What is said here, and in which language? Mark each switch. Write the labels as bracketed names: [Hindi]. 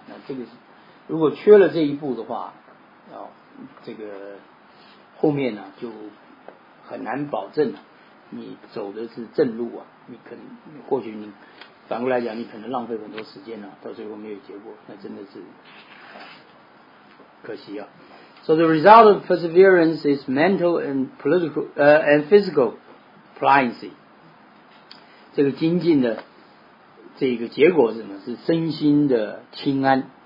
[Chinese] 那这个如果缺了这一步的话，啊，这个后面呢、啊、就很难保证你走的是正路啊。你可能或许你反过来讲，你可能浪费很多时间了、啊，到最后没有结果，那真的是。可惜啊。 [English] So the result of perseverance is mental and political, and physical pliancy. [Chinese] 这个精进的这个结果是什么？是身心的清安。